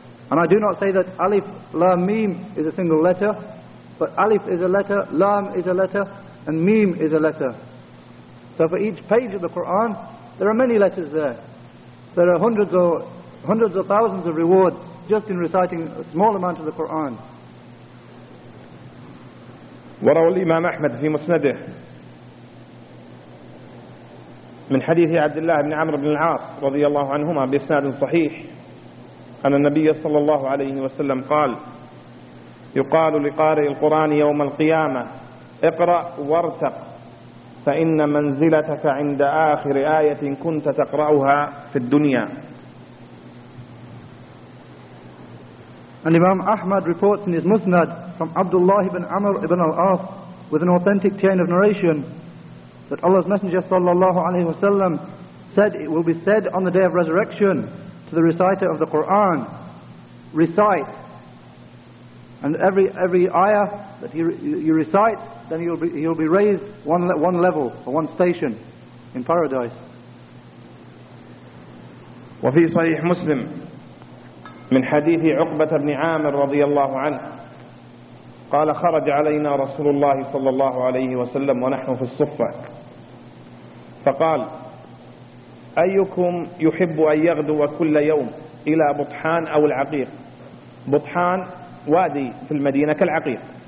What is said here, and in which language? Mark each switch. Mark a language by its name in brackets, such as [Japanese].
[English] And I do not say that Alif Lam Mim is a single letter, but Alif is a letter, Lam is a letter, and Mim is a letter. So for each page of the Quran there are many letters there. There are hundreds or thousands of rewards just in reciting a small amount of the Quran. [Arabic] وروى الإمام أحمد في مسنده من حديث عبد الله بن عمرو بن العاص رضي الله عنهما بإسناد صحيح أن النبي صلى الله عليه وسلم قال: يقال لقارئ القرآن يوم القيامة: اقرأ وارتق, فإن منزلتك عند آخر آية كنت تقرأها في الدنيا. [English] And Imam Ahmad reports in his Musnad from Abdullah ibn Amr ibn al-As with an authentic chain of narration that Allah's Messenger [Arabic] sallallahu alayhi wa sallam [English] said, it will be said on the day of resurrection to the reciter of the Quran, recite. And every ayah that you recite, then he'll be raised one level or one station in paradise. [Arabic] وفي صحيح مسلم من حديث عقبة بن عامر رضي الله عنه قال خرج علينا رسول الله صلى الله عليه وسلم ونحن في الصفة فقال أيكم يحب أن يغدو كل يوم إلى بطحان أو العقيق؟ بطحان وادي في المدينة كالعقيق.